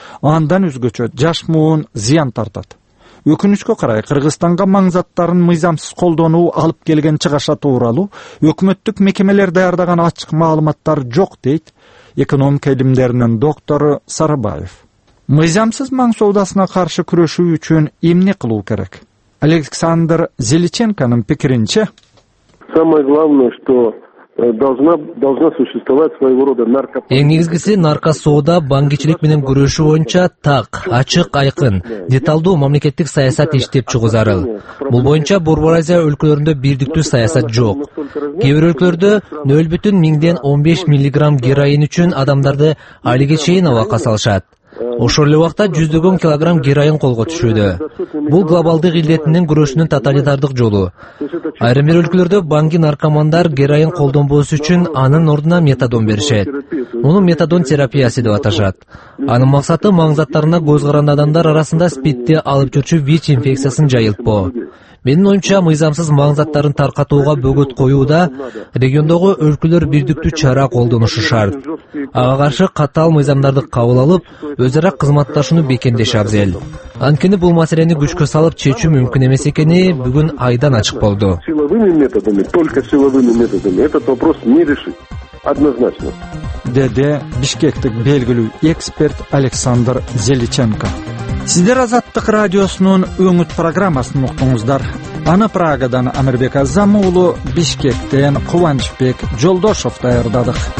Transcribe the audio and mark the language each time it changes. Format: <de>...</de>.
<ky>Андан өзгөчө жаш муун зыян тартат. Өкүнүчкө карай Кыргызстанга маңзаттарын мыйзамсыз колдонуу алып келген чыгаша тууралуу өкмөттүк мекемелер даярдаган ачык маалыматтар жок, дейт экономика илимдеринин доктору Сарбаев. Мыйзамсыз маң соодасына каршы күрөшүү үчүн эмне кылуу керек? Александр Зеличенконун пикиринче.</ky> <ru>Самое главное, что должна существовать своего рода нарко.</ru> <ky>Эң негизгиси нарко соода бангичилик менен күрөшүү боюнча так, ачык, айкын, деталдуу мамлекеттик саясат иштеп чыгуу зарыл. Бул боюнча Борбор Азия өлкөлөрүндө бирдиктүү саясат жок. Кээ бир өлкөлөрдө 0.1-15 миллиграмм героин үчүн адамдарды алиге чейин абакка салышат. Ошол эле убакта жүздөгөн килограмм героин колго түшүүдө. Бул глобалдык илдетинин күрөшүнүн тоталитардык жолу. Айрым бир өлкөлөрдө банги наркомандар героин колдонбоосу үчүн анын ордуна метадон беришет. Муну метадон терапиясы деп аташат. Анын максаты маңзаттарына көз каранды адамдар арасында спидти алып жүрчү ВИЧ инфекциясын жайылтпоо. Менин оюмча мыйзамсыз маңзаттарын таркатууга бөгөт коюуда региондогу өлкөлөр бирдиктүү чара колдонушу шарт. Ага каршы катаал мыйзамдарды кабыл алып, өз ара кызматташууну бекемдеш абзел. Анткени бул маселени күчкө салып чечүү мүмкүн эмес экени бүгүн айдан ачык болду.</ky> <ru>Силовыми методами, только силовыми методами этот вопрос не решить однозначно.</ru> <ky>Деде Бишкектик белгилүү эксперт Александр Зеличенко. Сиздер Азаттык радиосунун үмүт программасын уктуңуздар. Аны Прагадан Амирбек Азам уулу, Бишкектен Кубанычбек Жолдошов даярдадык.</ky>